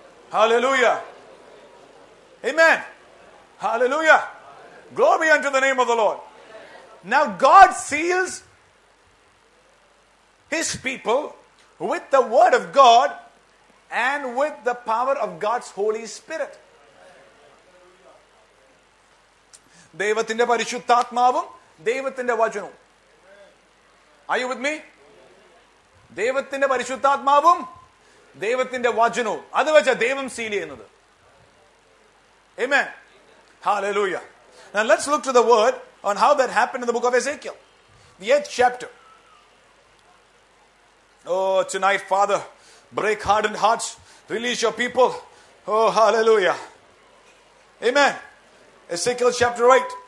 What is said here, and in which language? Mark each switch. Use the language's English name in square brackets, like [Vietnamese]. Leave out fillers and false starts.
[English] Hallelujah. Amen. Hallelujah. Glory unto the name of the Lord. Now God seals His people with the word of God and with the power of God's Holy Spirit. [Malayalam] ദൈവത്തിന്റെ പരിശുദ്ധാത്മാവും ദൈവത്തിന്റെ വചനവും. [English] Are you with me? [Malayalam] ദൈവത്തിന്റെ പരിശുദ്ധാത്മാവും ദൈവത്തിന്റെ വചനവും. അത് വെച്ചാ ദൈവം സീൽ ചെയ്യുന്നത്. Amen. Hallelujah. [English] Now let's look to the word on how that happened in the book of Ezekiel. The 8th chapter. Oh, tonight, Father, break hardened hearts. Release your people. Oh, hallelujah. Amen. Ezekiel chapter 8.